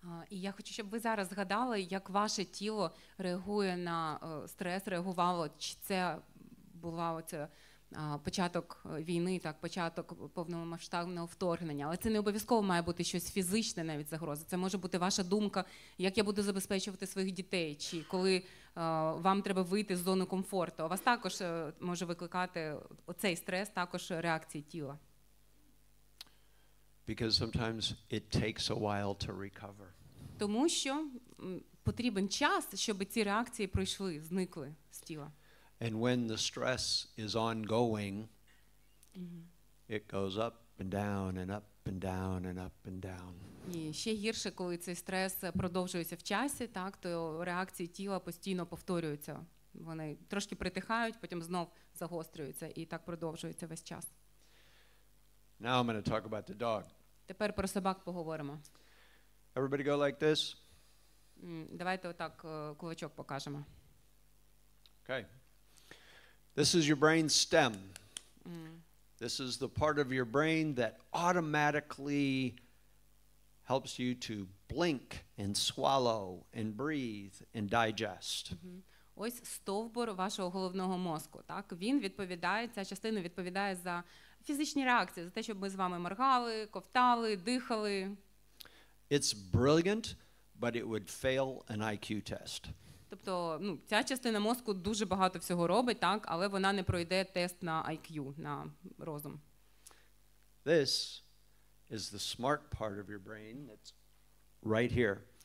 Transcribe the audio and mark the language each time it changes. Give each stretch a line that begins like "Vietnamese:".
Ukrainian: І я хочу, щоб ви зараз згадали, як ваше тіло реагує на стрес, реагувало, чи це була оця початок війни, так, початок повномасштабного вторгнення. Але це не обов'язково має бути щось фізичне, навіть загроза. Це може бути ваша думка, як я буду забезпечувати своїх дітей, чи коли вам треба вийти з зони комфорту. У вас також може викликати оцей стрес, також реакції тіла.
English: Because sometimes it takes a while to recover.
Ukrainian: Тому що потрібен час, щоб ці реакції пройшли, зникли з тіла.
English: And when the stress is ongoing, it goes up and down and up and down and up and down.
Ukrainian: І ще гірше, коли цей стрес продовжується в часі, так, то реакції тіла постійно повторюються. Вони трошки притихають, потім знов загострюються і так продовжується весь час.
English: Now I'm going to talk about the dog.
Ukrainian: Тепер про собак поговоримо.
English: Everybody go like this.
Ukrainian: Давайте отак кулачок покажемо.
English: Okay. This is your brain stem. This is the part of your brain that automatically helps you to blink and swallow and breathe and digest.
Ukrainian: Ось стовбур вашого головного мозку, так? Він відповідає, ця частина відповідає за фізичні реакції, за те, щоб ми з вами моргали, ковтали, дихали.
English: It's brilliant, but it would fail an IQ test.
Ukrainian: Тобто, ця частина мозку дуже багато всього робить, так, але вона не пройде тест на IQ, на розум.
English: This is the smart part of your brain that's right here.